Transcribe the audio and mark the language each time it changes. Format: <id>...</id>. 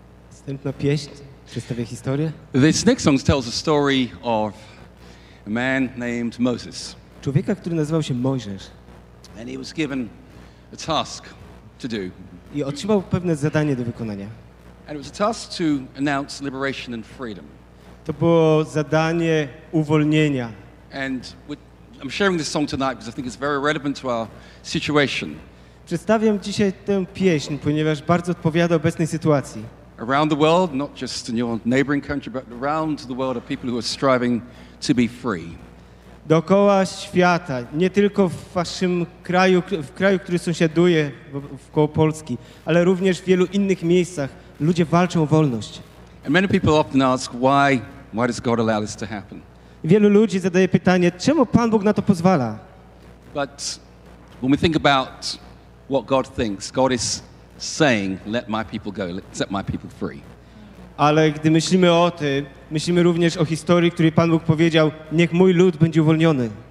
<pl>Następna pieśń przedstawia historię.</pl> <en>This next song tells a story of a man named Moses.</en> <pl>Człowieka, który nazywał się Mojżesz.</pl> <en>And he was given a task to do.</en> <pl>I otrzymał pewne zadanie do wykonania.</pl> <en>And it was a task to announce liberation and freedom.</en> <pl>To było zadanie uwolnienia.</pl> <en>And I'm sharing this song tonight because I think it's very relevant to our situation.</en> <pl>Przedstawiam dzisiaj tę pieśń, ponieważ bardzo odpowiada obecnej sytuacji.</pl> <en>Around the world, not just in your neighboring country, but around the world are people who are striving to be free.</en> <pl>Dookoła świata, nie tylko w waszym kraju, w kraju, który sąsiaduje wokół Polski, ale również w wielu innych miejscach, ludzie walczą o wolność.</pl> <en>And many people often ask, why does God allow this to happen?</en> <pl>Wielu ludzi zadaje pytanie, czemu Pan Bóg na to pozwala?</pl> <en>But when we think about what God thinks, God is saying, let my people go, set my people free.</en> <pl>Ale gdy myślimy o tym, myślimy również o historii, której Pan Bóg powiedział, niech mój lud będzie uwolniony.</pl>